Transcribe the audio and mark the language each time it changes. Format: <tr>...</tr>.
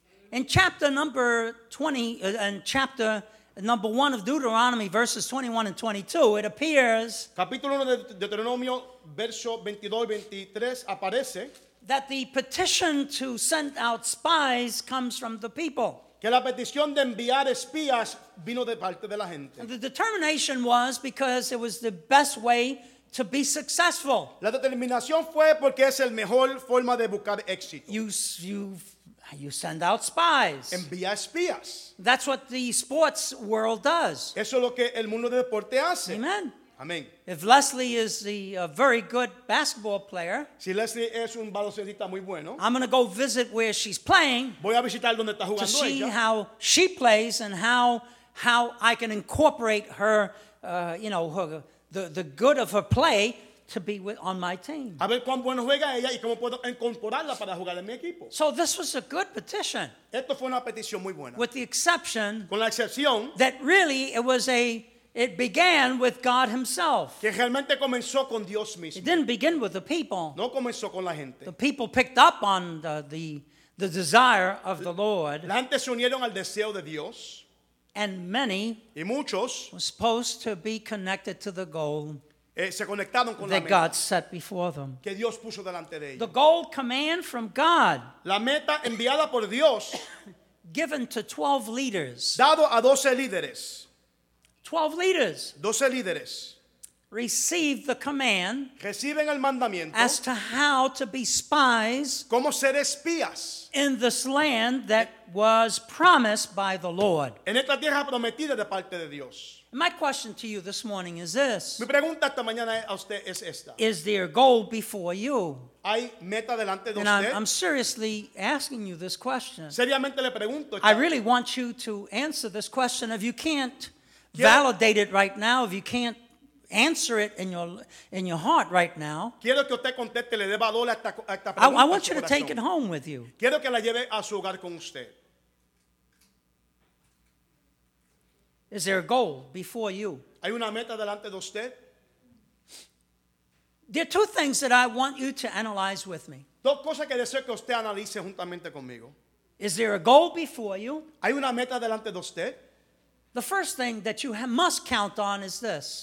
<en>In chapter number 20, in chapter number 1 of Deuteronomy, verses 21 and 22, it appears</en> <es>capítulo 1 de Deuteronomio, verso 22 y 23, aparece</es> <en>that the petition to send out spies comes from the people.</en> <es>Que la petición de enviar espías vino de parte de la gente.</es> <en>And the determination was because it was the best way to be successful.</en> <es>La determinación fue porque es el mejor forma de buscar éxito.</es> <en>You send out spies.</en> <es>Envía espías.</es> <en>That's what the sports world does.</en> <es>Eso es lo que el mundo del deporte hace.</es> <en>Amen.</en> <es>Amen.</es> <en>If Leslie is a very good basketball player,</en> <es>si Leslie es un baloncestista muy bueno,</es> <en>I'm going to go visit where she's playing.</en> <es>Voy a visitar donde está jugando</es> <en>to see</en> <es>ella.</es> <en>How she plays and how I can incorporate her, the good of her play to be with, on my team.</en> <es>A ver cuán bueno juega ella y cómo puedo incorporarla para jugar en mi equipo.</es> <en>So this was a good petition.</en> <es>Esto fue una petición muy buena.</es> <en>With the exception,</en> <es>con la excepción,</es> <en>that really it was a. It began with God himself.</en> <es>Que realmente comenzó con Dios mismo.</es> <en>It didn't begin with the people.</en> <es>No comenzó con la gente.</es> <en>The people picked up on the desire of the Lord.</en> <es>La gente se unieron al deseo de Dios.</es> <en>And many</en> <es>y muchos</es> <en>were supposed to be connected to the goal</en> <es>se conectaron con</es> <en>that</en> <es>la</es> <en>God</en> <es>meta</es> <en>set before them.</en> <es>Que Dios puso delante de ellos.</es> <en>The goal command from God.</en> <es>La meta enviada por Dios</es> <en>given to 12 leaders.</en> <es>Dado a 12 líderes.</es> <en>12 leaders.</en> <es>12 líderes.</es> <en>Receive the command.</en> <es>Reciben el mandamiento.</es> <en>As to how to be spies.</en> <es>Cómo ser espías.</es> <en>In this land that was promised by the Lord.</en> <es>En esta tierra prometida de parte de Dios.</es> <en>My question to you this morning is this.</en> <es>Mi pregunta esta mañana a usted es esta.</es> <en>Is there a goal before you?</en> <es>Hay meta delante de</es> <en>and</en> <es>usted.</es> <en>And I'm seriously asking you this question.</en> <es>Seriamente le pregunto.</es> <en>I really want you to answer this question. If you can't validate it right now, if you can't answer it in your heart right now,</en> <es>quiero que usted conteste, le dé valor a esta pregunta.</es> <en>I want you to take it home with you.</en> <es>Quiero que la lleve a su hogar con usted.</es> <en>Is there a goal before you?</en> <es>Hay una meta delante de usted.</es> <en>There are two things that I want you to analyze with me.</en> <es>Dos cosas que deseo que usted analice juntamente conmigo.</es> <en>Is there a goal before you?</en> <es>Hay una meta delante de usted.</es> <en>The first thing that you must count on is this.</en>